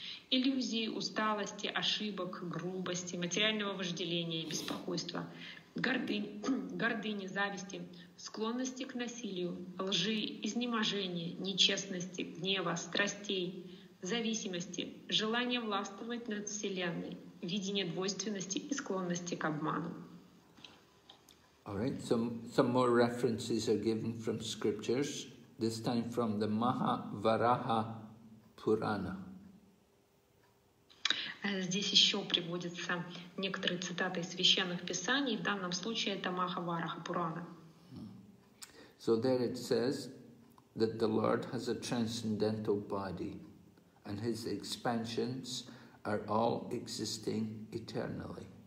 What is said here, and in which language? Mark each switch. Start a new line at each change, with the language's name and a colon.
Russian: Иллюзии, усталости, ошибок, грубости, материального вожделения и беспокойства, гордыни, зависти, склонности к насилию, лжи, изнеможения, нечестности, гнева, страстей, зависимости, желания властвовать над Вселенной, видение двойственности и склонности к обману.
English: All right, some more references are given from scriptures, this time from the Mahavaraha Purana.
Russian: Здесь еще приводятся некоторые цитаты из священных писаний, в данном случае это Махабхарата Пурана.
English: So there it says that the Lord has a transcendental body and his expansions are all existing eternally.